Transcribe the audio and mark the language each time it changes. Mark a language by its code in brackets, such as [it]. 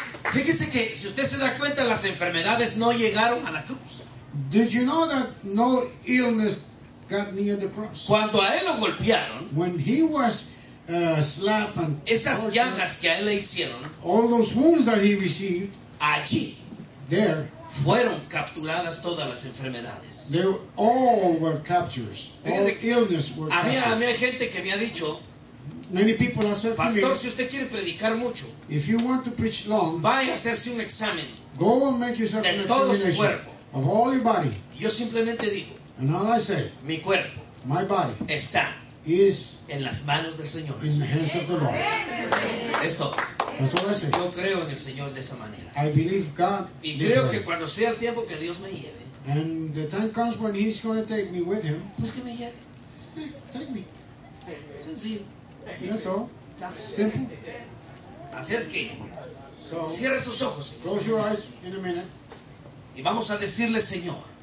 [es] Fíjese que si usted se da cuenta las enfermedades no llegaron a la cruz. [en] Did you know that no illness got near the cross? [es] Cuando a él lo golpearon, [en] when he was slapped and [es] esas llagas que a él le hicieron, [en] all those wounds that he received, [es] allí, [en] there, [es] fueron capturadas todas las enfermedades. [en] They all were captures. All illness were captures. [es] Había gente que me ha dicho. [en] Many people have said to [es] pastor, [en] me, [es] si usted quiere predicar mucho, [en] if you want to preach long, [es] vaya a hacerse un examen. [en] Go and make yourself [es] de [en] an [es] todo [en] examination [es] su cuerpo. [en] Of all your body. [es] Yo simplemente digo, [en] and all I say, [es] mi cuerpo, [en] my body, [es] está [en] is [es] en las manos del Señor. [en] In the hands of the Lord. [es] Esto. [en] That's what I say. [es] Yo creo en el Señor de esa manera. [en] I believe God. [es] Y creo [en] way [es] que cuando sea el tiempo que Dios me lleve, [en] and the time comes when He's going to take me with Him, [es] pues que me lleve. [en] Take me. [es] Sencillo. [en] That's all. Simple. [es] Así es que. [en] So, [es] cierre sus ojos. [en] Close your eyes in a minute. [es] Y vamos a decirle, Señor.